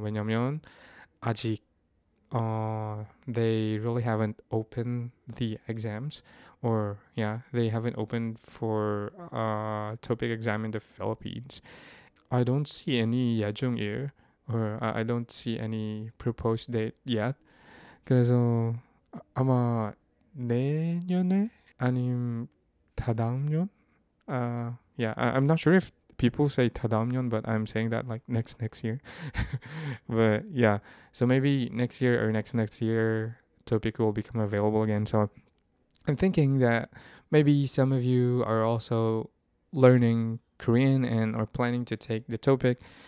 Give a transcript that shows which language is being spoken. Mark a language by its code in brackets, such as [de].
[ko] 왜냐면 아직 [en] they really haven't opened the exams. Or, yeah, they haven't opened for a topic exam in the Philippines. I don't see any 예정일. Or I don't see any proposed date yet. [ko] 그래서 아마 내년에 아님 다다음년? [en] I'm not sure if people say 다다음년, but I'm saying that like next year. But yeah, so maybe next year or next year, topic will become available again. So I'm thinking that maybe some of you are also learning Korean and are planning to take the topic.